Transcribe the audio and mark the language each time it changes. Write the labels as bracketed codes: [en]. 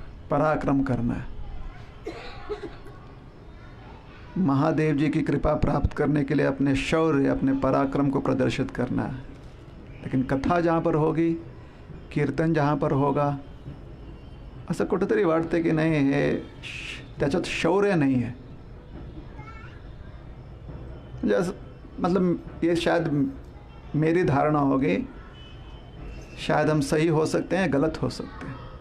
[hi] पराक्रम करना है, महादेव जी की कृपा प्राप्त करने के लिए अपने शौर्य अपने पराक्रम को प्रदर्शित करना है। लेकिन कथा जहाँ पर होगी, कीर्तन जहाँ पर होगा, [mr] असं कुठेतरी वाटते की नाही हे त्याच्यात शौर्य नाही आहे। म्हणजे असं [hi] मतलब ये शायद मेरी धारणा होगी, शायद हम सही हो सकते हैं गलत हो सकते हैं।